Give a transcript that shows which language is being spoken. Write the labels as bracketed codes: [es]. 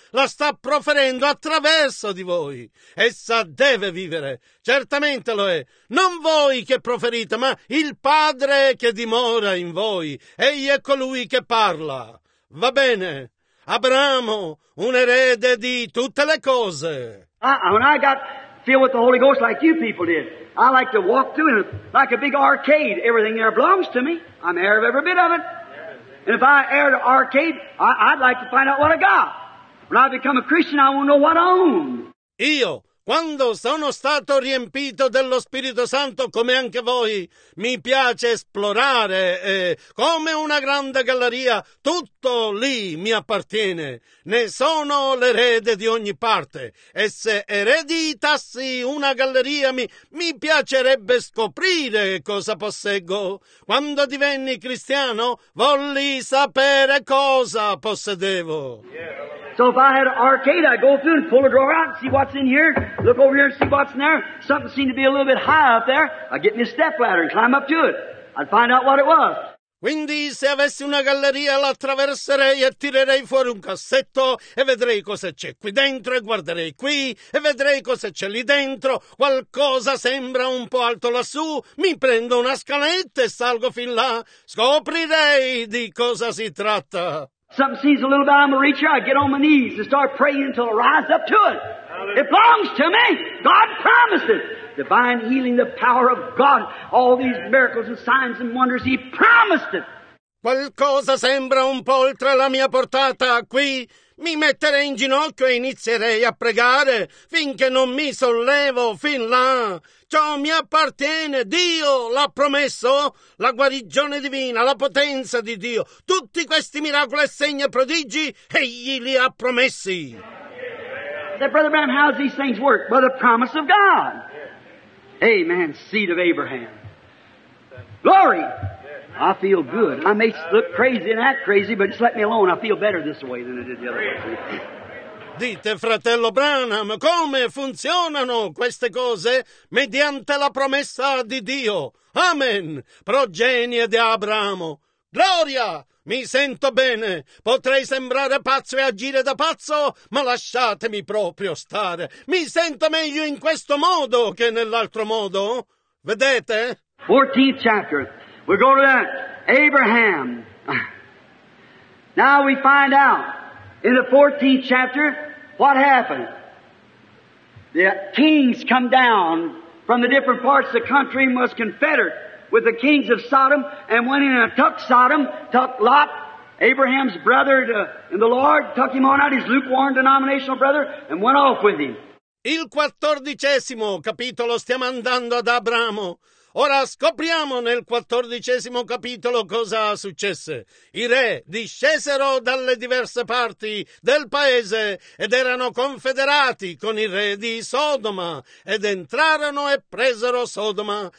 [it] La sta proferendo attraverso di voi. Essa deve vivere. Certamente lo è. Non voi che proferite, ma il Padre che dimora in voi. Egli è colui che parla. Va bene. Abramo, un erede di tutte le cose. [en] When I got filled with the Holy Ghost like you people did, I like to walk through it like a big arcade. Everything there belongs to me. I'm heir of every bit of it. And if I heir to arcade, I'd like to find out what I got. When I become a Christian, I won't know what I own. [it] Io, quando sono stato riempito dello Spirito Santo, come anche voi, mi piace esplorare, come una grande galleria, tutto lì mi appartiene. Ne sono l'erede di ogni parte. E se ereditassi una galleria, mi piacerebbe scoprire cosa posseggo. Quando divenni cristiano, volli sapere cosa possedevo. [en] Yeah. So if I had an arcade, I'd go through and pull a drawer out and see what's in here. Look over here and see what's in there. Something seemed to be a little bit high up there. I'd get me a stepladder and climb up to it. I'd find out what it was. [it] Quindi se avessi una galleria la attraverserei e tirerei fuori un cassetto e vedrei cosa c'è qui dentro e guarderei qui e vedrei cosa c'è lì dentro. Qualcosa sembra un po' alto lassù, mi prendo una scaletta e salgo fin là. Scoprirei di cosa si tratta. [en] Something seems a little bit, I'm going to reach out, get on my knees and start praying until I rise up to it. It belongs to me. God promises. Divine healing, the power of God, all these miracles and signs and wonders, He promised it. [it] Qualcosa sembra un po' oltre la mia portata qui. Mi metterei in ginocchio e inizierei a pregare finché non mi sollevo fin là. Ciò mi appartiene, Dio l'ha promesso, la guarigione divina, la potenza di Dio, tutti questi miracoli e segni e prodigi, egli li ha promessi. [en] That Brother Bram, how does these things work? By the promise of God. Amen, seed of Abraham. Glory! I feel good. I may look crazy and act crazy, but just let me alone. I feel better this way than I did the other way. [it] Dite, fratello Branham, come funzionano queste cose? Mediante la promessa di Dio. Amen. Progenie di Abramo. Gloria! Mi sento bene. Potrei sembrare pazzo e agire da pazzo, ma lasciatemi proprio stare. Mi sento meglio in questo modo che nell'altro modo. Vedete? [en] 14th chapter. We go to that. Abraham. Now we find out in the 14th chapter what happened. The kings come down from the different parts of the country and was confederate with the kings of Sodom and went in and took Sodom, took Lot, Abraham's brother in the Lord, took him on out, his lukewarm denominational brother, and went off with him. [it] Il 14th capitolo stiamo andando ad Abramo. Ora scopriamo nel 14th capitolo cosa successe. I re discesero dalle diverse parti del paese ed erano confederati con i re di Sodoma ed entrarono e presero Sodoma.